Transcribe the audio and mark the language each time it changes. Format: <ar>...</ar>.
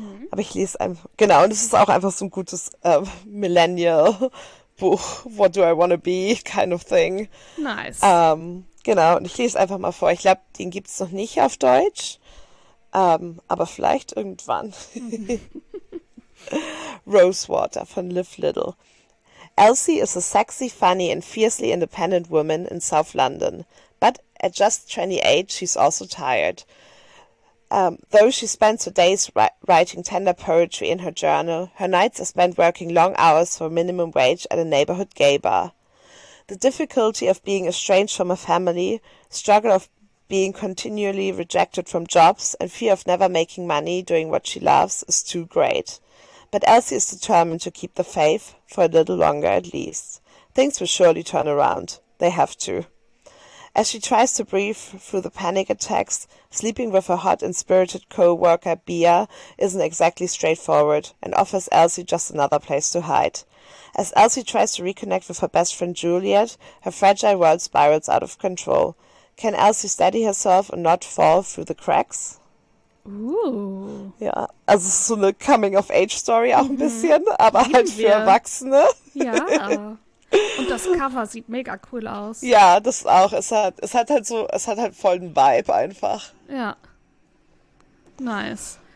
<de>Aber ich lese einfach, genau, und es ist auch einfach so ein gutes Millennial-Buch,</de> <en>What do I want to be, kind of thing. Nice.</en> <de>Genau, und ich lese einfach mal vor. Ich glaube, den gibt es noch nicht auf Deutsch, aber vielleicht irgendwann. Rosewater von Liv Little.</de> <en>Elsie is a sexy, funny and fiercely independent woman in South London. But at just 28, she's also tired. Though she spends her days writing tender poetry in her journal, her nights are spent working long hours for minimum wage at a neighborhood gay bar. The difficulty of being estranged from a family, struggle of being continually rejected from jobs, and fear of never making money doing what she loves is too great. But Elsie is determined to keep the faith for a little longer at least. Things will surely turn around. They have to. As she tries to breathe through the panic attacks, sleeping with her hot and spirited co-worker, Bia, isn't exactly straightforward and offers Elsie just another place to hide. As Elsie tries to reconnect with her best friend, Juliet, her fragile world spirals out of control. Can Elsie steady herself and not fall through the cracks? Ooh.</en> <de>Ja, also es ist so eine Coming-of-Age-Story auch ein bisschen, aber halt Lieben für wir. Erwachsene. Ja. Und das Cover sieht mega cool aus. Ja, das auch. Es hat halt voll einen Vibe einfach. Ja. Nice.</de>